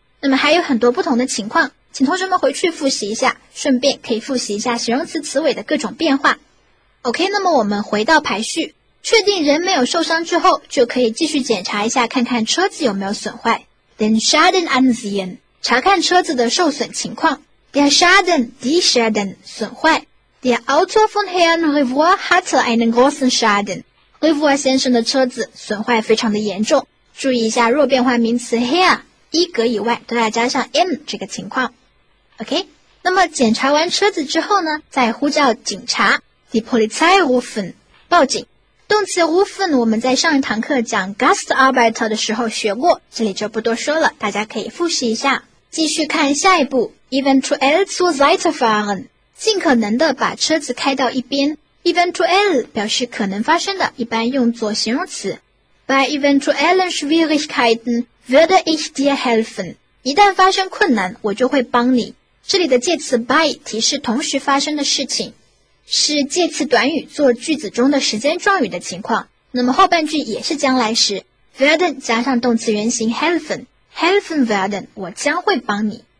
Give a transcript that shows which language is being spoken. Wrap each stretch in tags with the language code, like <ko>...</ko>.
<zh>那么还有很多不同的情况，请同学们回去复习一下，顺便可以复习一下形容词词尾的各种变化。 OK, 那么我们回到排序，确定人没有受伤之后，就可以继续检查一下，看看车子有没有损坏。</zh> <de>Den Schaden ansehen,</de> <zh>查看车子的受损情况。 Der Schaden, die Schaden, 损坏。</zh> <de>Der Auto von Herrn Rivois hatte einen großen Schaden.</de> <zh>Rivois先生的车子损坏非常的严重。注意一下弱变化名词 Herr。一格以外都要加上 M 这个情况。OK, 那么检查完车子之后呢，再呼叫警察。</zh> <de>Die Polizei rufen, 报警。</de> <zh>动词 rufen 我们在上一堂课讲 Gastarbeiter 的时候学过，这里就不多说了，大家可以复习一下。继续看下一步 ,</zh> <de>eventuell zur Seite fahren,</de> <zh>尽可能的把车子开到一边。 Eventuell 表示可能发生的，一般用作形容词。</zh> <de>Bei eventuellen Schwierigkeiten,Würde ich dir helfen?</de> <zh>一旦发生困难，我就会帮你。这里的介词 by 提示同时发生的事情，是介词短语做句子中的时间状语的情况。那么后半句也是将来时 ，werden 加上动词原形 helfen werden， 我将会帮你。</zh>